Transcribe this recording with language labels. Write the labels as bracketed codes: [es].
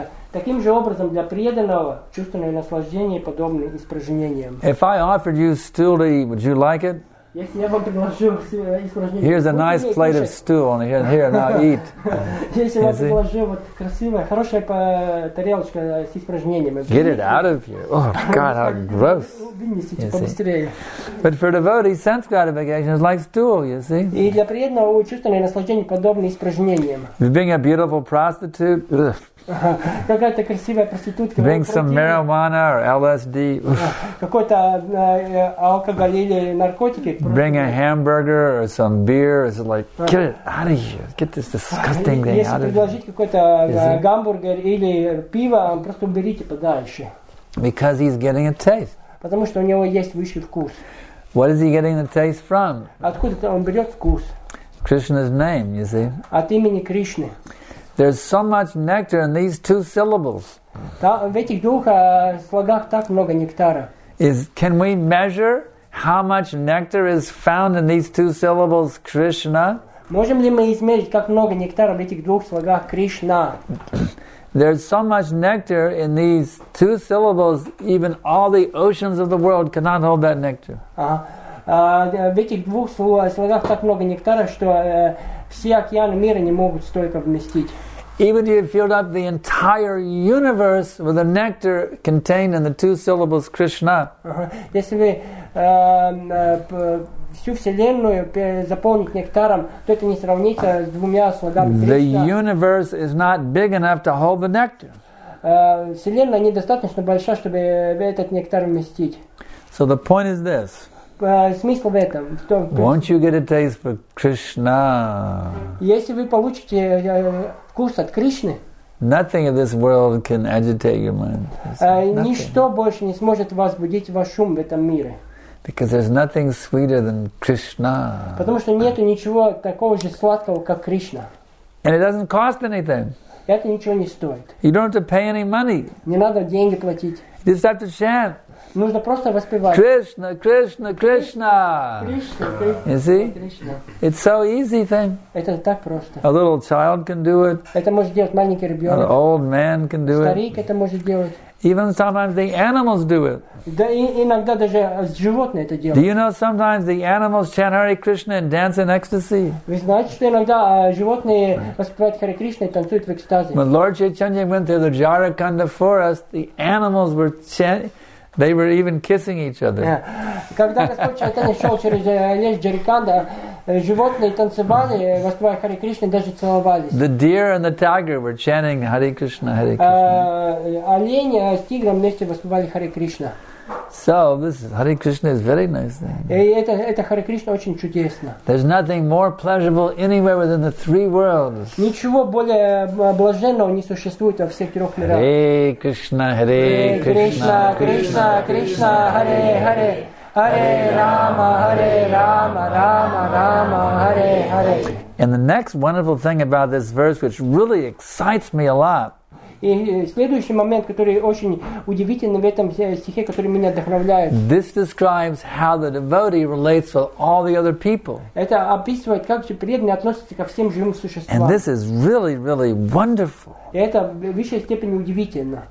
[ru] Таким же образом для преданного чувственное наслаждение подобно испражнениям. [en] If I offered you stool to eat, would you like it? [ru] Если я вам предложил испражнение, [en] here's a nice plate of stool, and here now eat. [ru] Если я предложил вот красивая, хорошая тарелочка с испражнениями. [en] Get it out of here! Oh God, how gross! [ru] Вынесите побыстрее. [en] But for devotee, sense gratification is like stool, you see. [ru] И для преданного чувственное наслаждение подобно испражнениям. [en] Being a beautiful prostitute. [ru] Какая-то красивая проститутка. [en] Bring some marijuana or LSD. [ru] Какой-то алкоголь или наркотики. [en] Bring a hamburger or some beer. It's like, get it out of here. Get this disgusting thing out of here. [ru] Если предложить какой-то гамбургер или пиво, просто уберите подальше. [en] Because he's getting a taste. [ru] Потому что у него есть высший вкус. [en] What is he getting the taste from? [ru] Откуда он берет вкус? [en] Krishna's name, you see. [ru] От имени Кришны. [en] There's so much nectar in these two syllables. [ru] В этих двух слогах так много нектара. [en] Can we measure how much nectar is found in these two syllables, Krishna? [ru] Можем ли мы измерить, как много нектара в этих двух слогах Кришна? [en] There's so much nectar in these two syllables, even all the oceans of the world cannot hold that nectar. [ru] В этих двух слогах так много нектара, что все океаны мира не могут столько вместить. [en] Even if you filled up the entire universe with the nectar contained in the two syllables Krishna. [ru] Если вы всю вселенную заполнить нектаром, то это не сравнится с двумя слогами Кришна. [en] The universe is not big enough to hold the nectar. [ru] Вселенная недостаточно большая, чтобы этот нектар вместить. [en] So the point is this. [ru] Смысл в этом. [en] Won't you get a taste for Krishna? [ru] Если вы получите вкус от Кришны, [en] nothing of this world can agitate your mind. [ru] Ничто больше не сможет возбудить ваш ум в этом мире. [en] Because there's nothing sweeter than Krishna. [ru] Потому что нету ничего такого же сладкого, как Кришна. [en] And it doesn't cost anything. [ru] Это ничего не стоит. [en] You don't have to pay any money. [ru] Не надо деньги платить. [en] You just have to chant. [ru] Нужно просто воспевать. [en] Krishna, Krishna, Krishna. Krishna, you see? Krishna. It's so easy thing. [ru] Это так просто. [en] A little child can do it. [ru] Это может делать маленький ребенок. [en] An old man can do [ru] Старик Старик это может делать. [en] Even sometimes the animals do it. [ru] Да, иногда даже животные это делают. [en] Do you know sometimes the animals chant Hare Krishna and dance in ecstasy? [ru] Вы знаете, что иногда животные воспевают Харе Кришна и танцуют в экстазе? [en] When Lord Chaitanya went through the Jarakanda forest, the animals were chanting. They were even kissing each other. [ru] Когда Господь Чайтанья шел через лес Джариканда, животные танцевали, воспевая Харе Кришна, даже целовались. [en] The deer and the tiger were chanting Hare Krishna, Hare Krishna. [ru] Олень с тигром вместе воспевали Харе Кришна. [en] So this is, Hare Krishna is very nice thing. [ru] Это Харе Кришна очень чудесно. [en] There's nothing more pleasurable anywhere within the three worlds. [ru] Ничего более блаженного не существует во всех трех мирах. [sa] Hare Krishna, Hare Krishna, Krishna, Krishna, Krishna, Hare Hare, Hare Rama, Hare Rama, Rama Rama, Hare Hare. [en] And the next wonderful thing about this verse, which really excites me a lot. [ru] И следующий момент, который очень удивительный в этом стихе, который меня вдохновляет. [en] This describes how the devotee relates with all the other people. [ru] Это описывает, как же преданный относится ко всем живым существам. [en] And this is really, really wonderful. [ru] И это в высшей степени удивительно.